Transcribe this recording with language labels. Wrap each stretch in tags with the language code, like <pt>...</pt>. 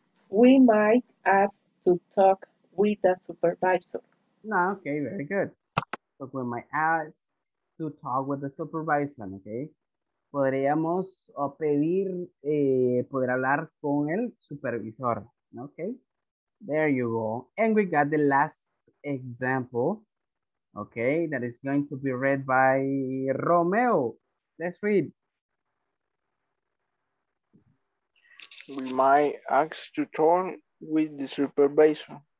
<en>We might ask to talk with the supervisor. No, okay, very good. So we might ask to talk with the supervisor, okay?</en> <es>Podríamos pedir poder hablar con el supervisor, okay?</es> <en>There you go. And we got the last example, okay, that is going to be read by Romeo. Let's read. We might ask to talk with the supervisor.</en>